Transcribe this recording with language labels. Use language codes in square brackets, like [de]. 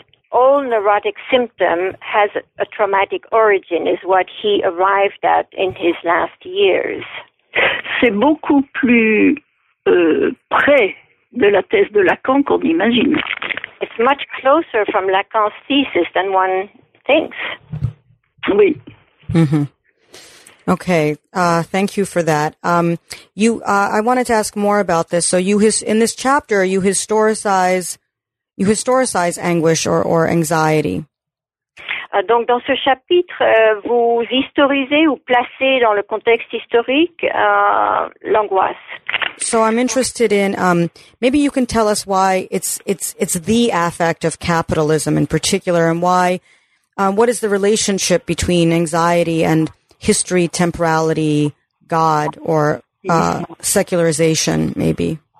[en] All neurotic symptom has a traumatic origin is what he arrived at in his last years. [fr] C'est beaucoup plus près de la thèse de Lacan qu'on imagine. [en] It's much closer from Lacan's thesis than one thinks. [fr] Oui. [en] Mm-hmm. Okay. Thank you for that. I wanted to ask more about this. So in this chapter, you historicize anguish or anxiety. [fr] Donc dans ce chapitre, vous historisez ou placez dans le contexte historique l'angoisse. [en] So I'm interested in maybe you can tell us why it's the affect of capitalism in particular, and why what is the relationship between anxiety and history, temporality, God, or secularization, maybe.